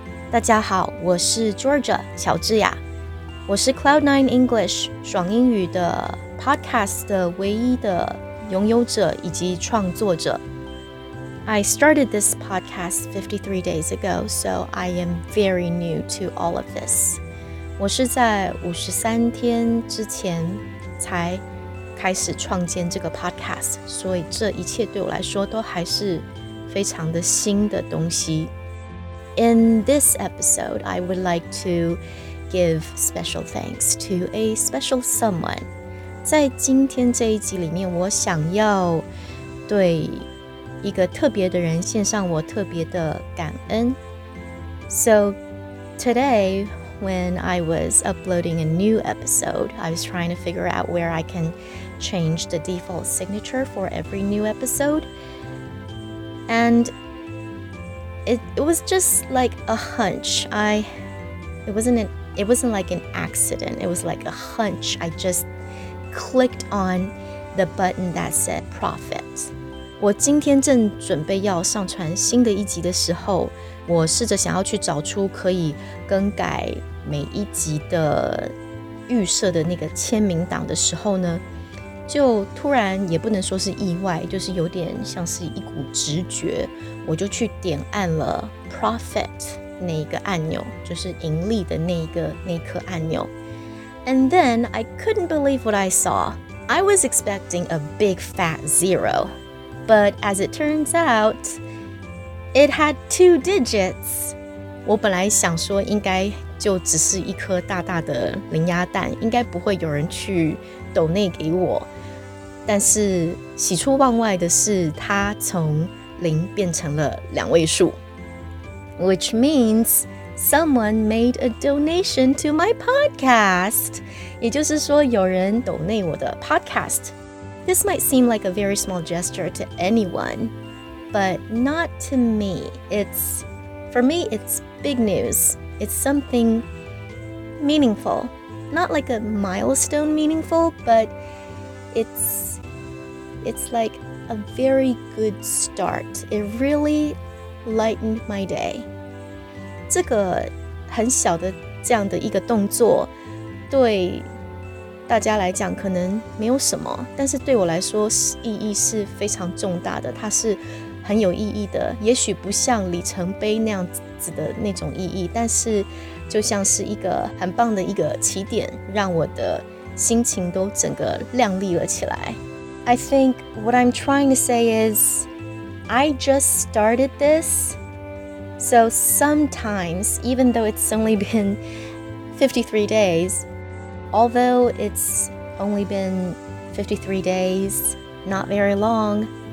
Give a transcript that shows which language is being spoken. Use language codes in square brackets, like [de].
[zh] 大家好，我是 Georgia 乔治亚，我是 Cloud9 English 爽英语的 podcast 的唯一的拥有者以及创作者。 [en] I started this podcast 53 days ago, so I am very new to all of this. [zh] 我是在53天之前才开始创建这个 podcast, 所以这一切对我来说都还是非常的新的东西。 [en] In this episode, I would like to give special thanks to a special someone. [zh] 在今天这一集里面，我想要对一个特别的人献上我特别的感恩。 [en] So today, when I was uploading a new episode, I was trying to figure out where I can change the default signature for every new episode. And it was just like a hunch. It wasn't like an accident. It was like a hunch. I just clicked on the button that said profit. [zh] 我今天正准备要上传新的一集的时候，我试着想要去找出可以更改每一集的预设的那个签名档的时候呢，就突然也不能说是意外，就是有点像是一股直觉，我就去点按了 profit 那一个按钮，就是盈利的那一颗按钮。 [en] And then I couldn't believe what I saw. I was expecting a big fat zero. But as it turns out, it had two digits. [zh] 我本来想说应该就只是一颗大大的零鸭蛋，应该不会有人去donate给我。但是喜出望外的是，它从零变成了两位数。 [en] Which means someone made a donation to my podcast. [zh] 也就是说有人donate我的 podcast. [en] This might seem like a very small gesture to anyone, but not to me. For me, it's big news. It's something meaningful. Not like a milestone meaningful, but it's like a very good start. It really lightened my day. [zh] 这个很小的这样的一个动作对大家来讲可能没有什么，但是对我来说意义是非常重大的，它是很有意义的，也许不像里程碑那样子的那种意义，但是就像是一个很棒的一个起点，让我的心情都整个亮丽了起来。 [en] I think what I'm trying to say is I just started this, so sometimes even though it's only been 53 daysAlthough it's only been 53 days, not very long.